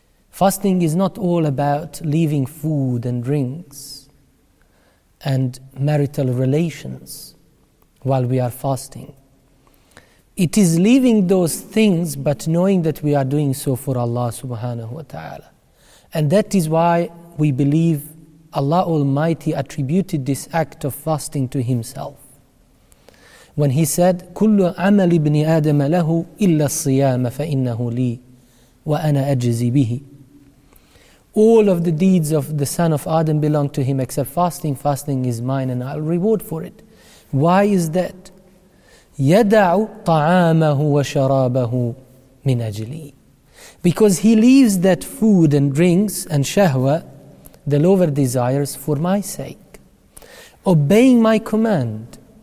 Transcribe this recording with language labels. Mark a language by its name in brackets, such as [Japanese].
[English] Fasting is not all about leaving food and drinks and marital relations while we are fasting. It is leaving those things, but knowing that we are doing so for Allah subhanahu wa ta'ala. And that is why we believe Allah Almighty attributed this act of fasting to Himself. When He said, [Arabic] كُلُّ عَمَلِ ابْنِ آدَمَ لَهُ إِلَّا الصِّيَامَ فَإِنَّهُ لِي وَأَنَا أَجْزِي بِهِ. [English] All of the deeds of the son of Adam belong to him except fasting. Fasting is mine and I'll reward for it. Why is that? [Arabic] يَدَعُ طَعَامَهُ وَشَرَابَهُ مِنْ أَجْلِي. [English] Because he leaves that food and drinks and shahwa, the lower desires, for my sake, obeying my command.